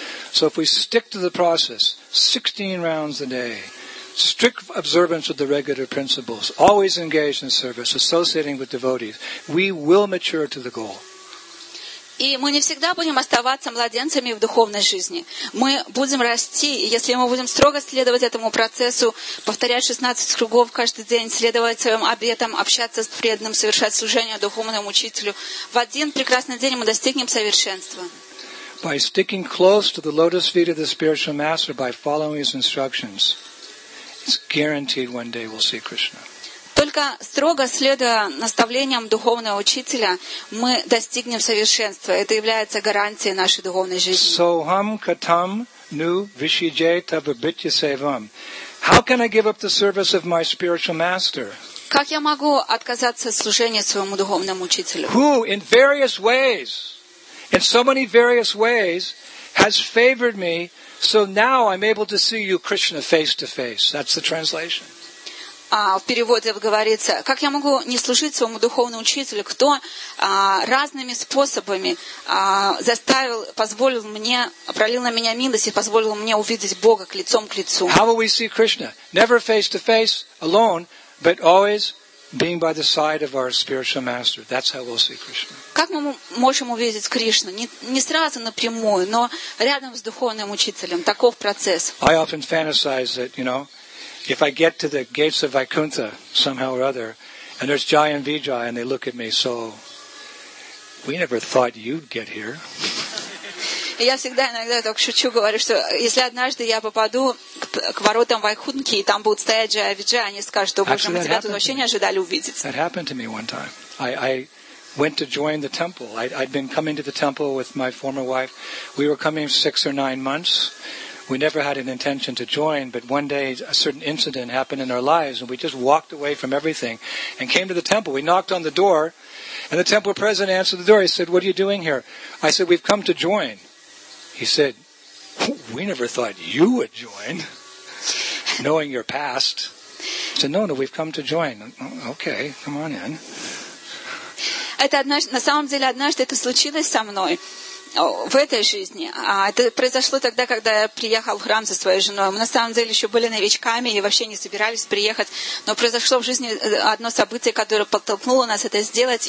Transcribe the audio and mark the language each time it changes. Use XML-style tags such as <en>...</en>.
<en>So if we stick to the process, 16 rounds a day, strict observance of the regular principles, always engaged in service, associating with devotees, we will mature to the goal.</en> <ru>И мы не всегда будем оставаться младенцами в духовной жизни. Мы будем расти, если мы будем строго следовать этому процессу, повторять 16 кругов каждый день, следовать своим обетам, общаться с преданным, совершать служение духовному учителю. В один прекрасный день мы достигнем совершенства.</ru> <en>By sticking close to the lotus feet of the spiritual master, by following his instructions, it's guaranteed one day we'll see Krishna.</en> <ru>Только строго следуя наставлениям духовного учителя, мы достигнем совершенства. Это является гарантией нашей духовной жизни.</ru> <sa>Soham katam nu vishijeta vibhitya sevam.</sa> <en>How can I give up the service of my spiritual master?</en> <ru>Как я могу отказаться от служения своему духовному учителю?</ru> <en>Who in so many various ways has favored me, so now I'm able to see you, Krishna, face to face. That's the translation.</en> <ru>В переводе говорится, как я могу не служить своему духовному учителю, кто разными способами заставил, позволил мне, пролил на меня милость и позволил мне увидеть Бога лицом к лицу.</ru> <en>How will we see Krishna? Never face to face alone, but always being by the side of our spiritual master. That's how we'll see Krishna.</en> <ru>Как мы можем увидеть Кришну? Не сразу напрямую, но рядом с духовным учителем. Таков процесс.</ru> <en>I often fantasize that, you know, if I get to the gates of Vaikuntha somehow or other, and there's Jai and Vijay, and they look at me, so we never thought you'd get here.</en> <ru>Я всегда иногда так шучу, говорю, что если однажды я попаду к воротам Вайкунтхи, и там будут стоять Джая Виджая, они скажут, что, боже, мы тебя тут вообще не ожидали увидеть.</ru> <en>That happened to me one time. I went to join the temple. I'd been coming to the temple with my former wife. We were coming 6 or 9 months. We never had an intention to join, but one day a certain incident happened in our lives, and we just walked away from everything and came to the temple. We knocked on the door, and the temple president answered the door. He said, what are you doing here? I said, we've come to join. He said, we never thought you would join, knowing your past. He said, no, we've come to join. Okay, come on in.</en> <ru>На самом деле, однажды это случилось со мной. В этой жизни. Это произошло тогда, когда я приехал в храм со своей женой. Мы на самом деле еще были новичками и вообще не собирались приехать. Но произошло в жизни одно событие, которое подтолкнуло нас это сделать.</ru>